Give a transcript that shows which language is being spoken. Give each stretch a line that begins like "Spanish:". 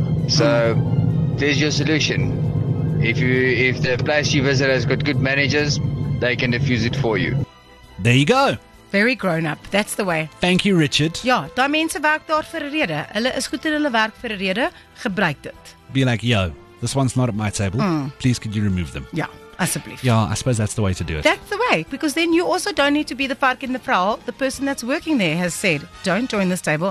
English: So, there's your solution. If the place you visit has got good managers, they can diffuse it for you. There you go. Very grown up. That's the way. Thank you, Richard.
Afrikaans: Ja, daai mense werk daar vir 'n rede. Hulle is goed in hulle werk vir 'n rede. Gebruik dit.
English: Be like, yo, this one's not at my table. Please, could you remove them?
Afrikaans: Ja, asseblief.
English: Ja, I suppose that's the way to do it. That's the way. Because then you also don't need to be the fark in the vrou. The person that's working there has said, don't join this table.